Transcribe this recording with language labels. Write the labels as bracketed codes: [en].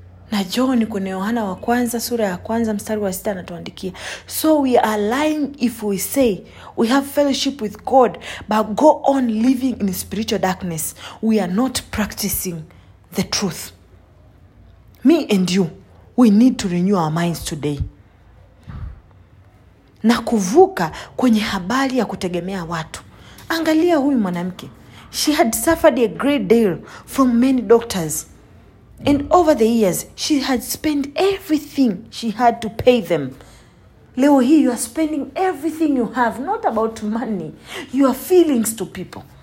[sw] Na John kwenye Yohana wa kwanza sura ya kwanza mstari wa 6 anatuandikia, [en] so we are lying if we say we have fellowship with God but go on living in spiritual darkness. We are not practicing the truth. Me and you, we need to renew our minds today. [sw] Na kuvuka kwenye habari ya kutegemea watu. Angalia huyu mwanamke. [en] She had suffered a great deal from many doctors. And over the years, she had spent everything she had to pay them. [sw] Leo hii, [en] you are spending everything you have, not about money, your feelings to people.